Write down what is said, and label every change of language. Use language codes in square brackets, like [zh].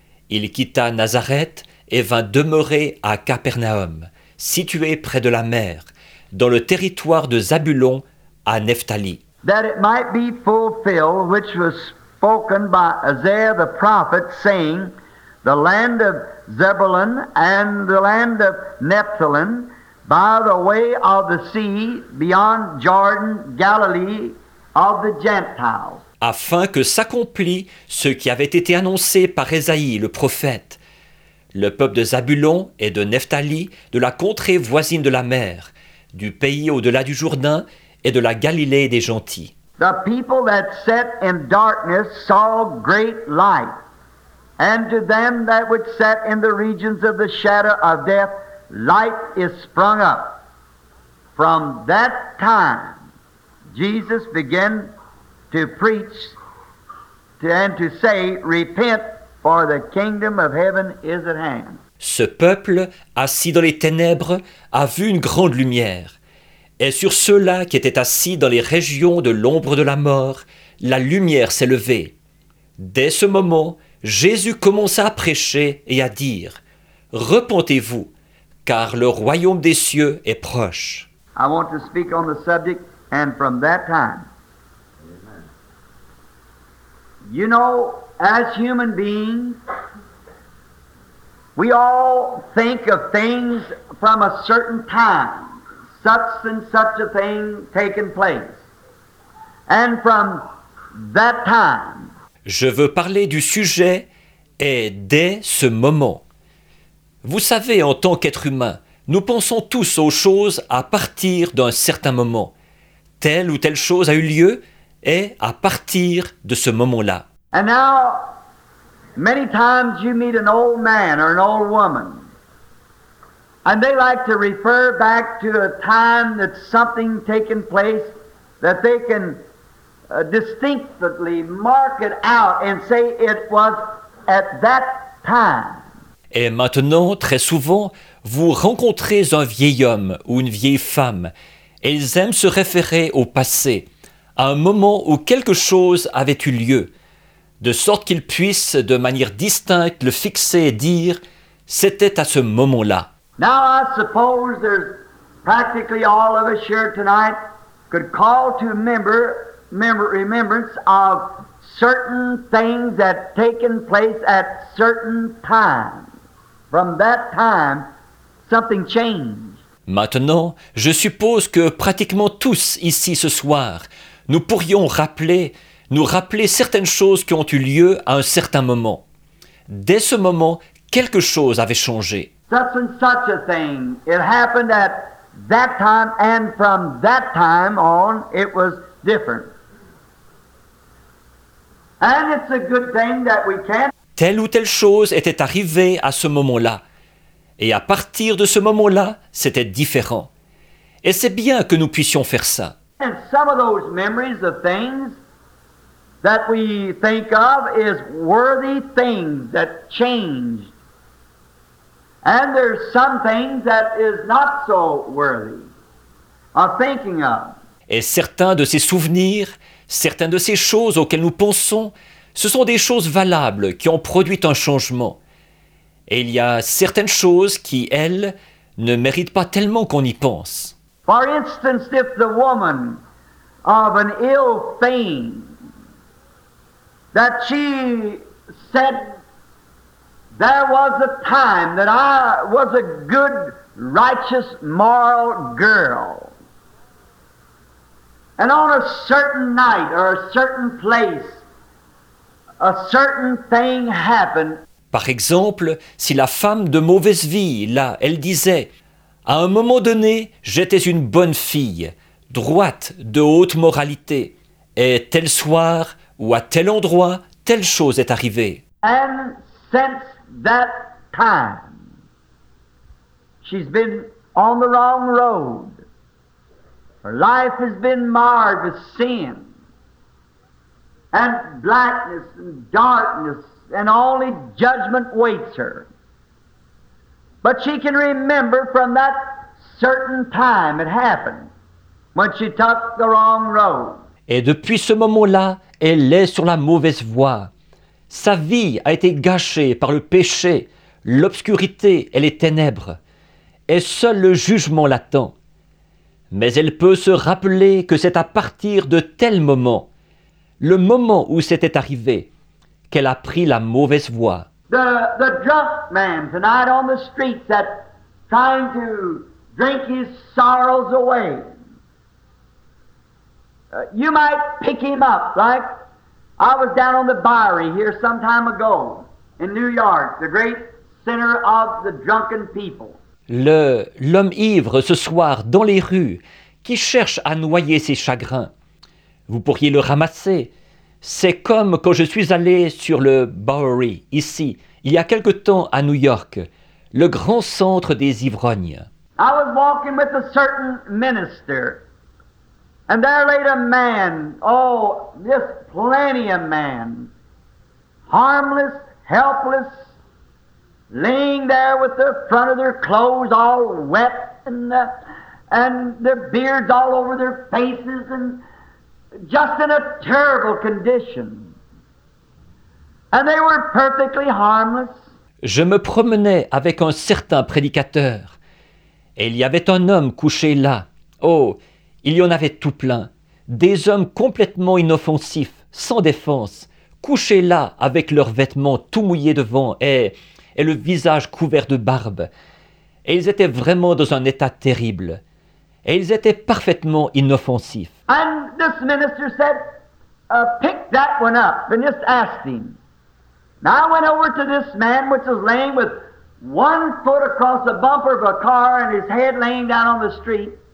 [fr] Il quitta Nazareth et vint demeurer à Capernaum, situé près de la mer, dans le territoire de Zabulon à Naphtali. [en] That it might be fulfilled which was spoken by Isaiah the prophet, saying, The land of Zebulun and the land of Naphtali, by the way of the sea, beyond Jordan, Galilee of the Gentiles. [fr] Afin que s'accomplît ce qui avait été annoncé par Esaïe le prophète, le peuple de Zabulon et de Naphtali, de la contrée voisine de la mer, du pays au-delà du Jourdain, et de la Galilée des gentils. [en] The people that sat in darkness saw great light, and to them that which sat in the regions of the shadow of death, light is sprung up. From that time, Jesus began to preach and to say, Repent, for the kingdom of heaven is at hand. [fr] Ce peuple, assis dans les ténèbres, a vu une grande lumière. Et sur ceux-là qui étaient assis dans les régions de l'ombre de la mort, la lumière s'est levée. Dès ce moment, Jésus commença à prêcher et à dire « Repentez-vous, car le royaume des cieux est proche. » [en] I want to speak on the subject, and from that time. You know, as human beings, we all think of things from a certain time. Such and such a thing taken place. And from that time. [fr] Je veux parler du sujet et dès ce moment. Vous savez, en tant qu'être humain, nous pensons tous aux choses à partir d'un certain moment. Telle ou telle chose a eu lieu et à partir de ce moment-là. [en] And now, many times you meet an old man or an old woman. And they like to refer back to a time that something taken place that they can distinctly mark it out and say it was at that time. [fr] Et maintenant, très souvent, vous rencontrez un vieil homme ou une vieille femme et ils aiment se référer au passé, à un moment où quelque chose avait eu lieu, de sorte qu'ils puissent de manière distincte le fixer et dire « c'était à ce moment-là ». [en] Now I suppose there's practically all of us here tonight could call to remembrance of certain things that taken place at certain times. From that time, something changed. [fr] Maintenant, je suppose que pratiquement tous ici ce soir, nous pourrions nous rappeler certaines choses qui ont eu lieu à un certain moment. Dès ce moment, quelque chose avait changé. [en] Such and such a thing. It happened at that time, and from that time on, it was different. And it's a good thing that we can. [fr] Telle ou telle chose était arrivée à ce moment-là, et à partir de ce moment-là, c'était différent. Et c'est bien que nous puissions faire ça. [en] And some of those memories of things that we think of is worthy things that changed. And there's some things that is not so worthy of thinking of. [fr] Et certains de ces souvenirs, certaines de ces choses auxquelles nous pensons, ce sont des choses valables qui ont produit un changement. Et il y a certaines choses qui, elles, ne méritent pas tellement qu'on y pense. [en] For instance, if the woman of an ill fame that she said, there was a time that I was a good, righteous, moral girl. And on a certain night or a certain place, a certain thing happened. [fr] Par exemple, si la femme de mauvaise vie, là, elle disait, à un moment donné, j'étais une bonne fille, droite, de haute moralité, et tel soir ou à tel endroit, telle chose est arrivée. [en] And since that time, she's been on the wrong road. Her life has been marred with sin and blackness and darkness, and only judgment waits her. But she can remember from that certain time it happened when she took the wrong road. [fr] Et depuis ce moment-là, elle est sur la mauvaise voie. Sa vie a été gâchée par le péché, l'obscurité et les ténèbres, et seul le jugement l'attend. Mais elle peut se rappeler que c'est à partir de tel moment, le moment où c'était arrivé, qu'elle a pris la mauvaise voie. [en] The drunk man tonight on the streets that trying to drink his sorrows away. You might pick him up like I was down on the Bowery here some time ago in New York, the great center of the drunken people. [fr] L'homme ivre ce soir dans les rues qui cherche à noyer ses chagrins. Vous pourriez le ramasser. C'est comme quand je suis allé sur le Bowery ici, il y a quelque temps à New York, le grand centre des ivrognes. [en] I was walking with a certain minister. And there laid a man, oh, this plenty of man, harmless, helpless, laying there with the front of their clothes all wet and their beards all over their faces and just in a terrible condition. And they were perfectly harmless. [fr] Je me promenais avec un certain prédicateur et il y avait un homme couché là, oh, il y en avait tout plein, des hommes complètement inoffensifs, sans défense, couchés là avec leurs vêtements tout mouillés de vent et le visage couvert de barbe. Et ils étaient vraiment dans un état terrible. Et ils étaient parfaitement inoffensifs. [en] And this minister said, pick that one up and just ask him. Now I went over to this man which was laying with one foot across the bumper of a car and his head laying down on the street.